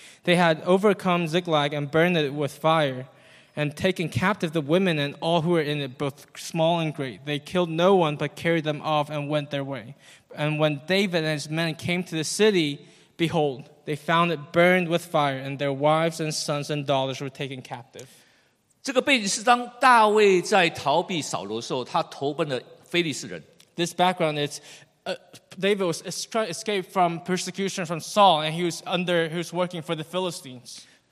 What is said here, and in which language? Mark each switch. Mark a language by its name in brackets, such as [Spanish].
[English] They had overcome Ziklag and burned it with fire. And taken captive the women and all who were in it, both small and great. They killed no one, but carried them off and went their way. And when David and his men came to the city, behold, they found it burned with fire, and their wives and sons and daughters were taken captive. [Chinese] 这个背景是当大卫在逃避扫罗的时候，他投奔了非利士人。 [English] This background is David was trying to escape from persecution from Saul, and he was working for the Philistines.